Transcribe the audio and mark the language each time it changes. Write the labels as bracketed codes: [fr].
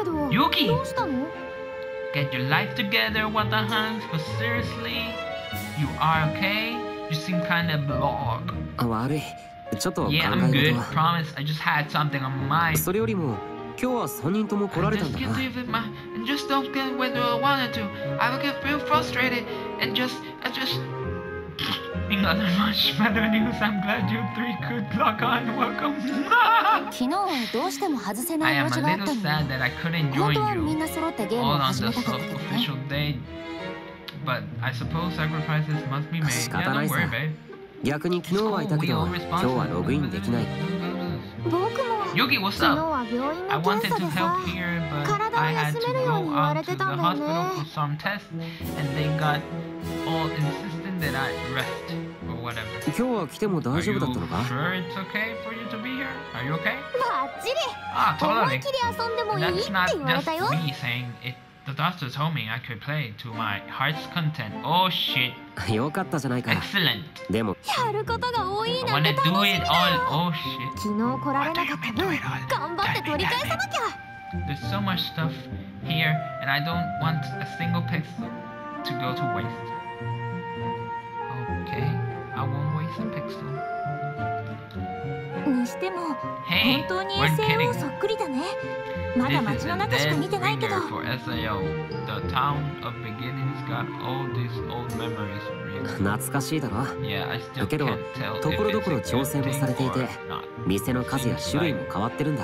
[en] Yuki! Get your life together, Watahanx, but seriously? You are okay? You seem kind of blog. [ja] 悪い。 [en] Yeah, I'm good. Promise. I just had something on my mind. [ja] それよりも今日は3人とも来られたんだな。 [en] I just can't believe it, man. And just don't get whether I wanted to. I would get real frustrated and just, I just. In other much better news, I'm glad you three could log on. Welcome. [ja] 昨日はどうしても外せない用事があったの。 [en] I am a little sad that I couldn't join you. [ja] 本当はみんな揃ってゲームを始めたかったけどね。 [en] On the official day, but I suppose sacrifices must be made. [ja] 仕方ないさ。逆に昨日はいたけど、今日はログインできない。僕も [en] Yogi, what's up? I wanted to help here, but I had to go out to the hospital for some tests, and they got all insistent that I rest or whatever. [ja] 今日は来ても大丈夫だったのか? [en] Are you sure it's okay for you to be here? Are you okay? [ja] Bajiri. [en] Ah, totally. That's not just me saying it. The doctor told me I could play to my heart's content. Oh shit. [ja] よかったじゃないか。 [en] Excellent. [ja] でも、やることが多いなんて楽しみだよ。 [en] Oh, shit. [ja] 昨日来られなかった分、頑張って取り返さなきゃ。 [en] There's so much stuff here, and I don't want a single pixel to go to waste. Okay, I won't waste a pixel. [ja] にしても、 [en] hey, [ja] 本当に SAO そっくりだね。まだ街の中しか見てないけど。 [en] For SAO. The town of beginnings got all these old memories. [ja] 懐かしいだろ。 [en] Yeah, [ja] だけど、ところどころ調整もされていて、店の数や種類も変わってるんだ。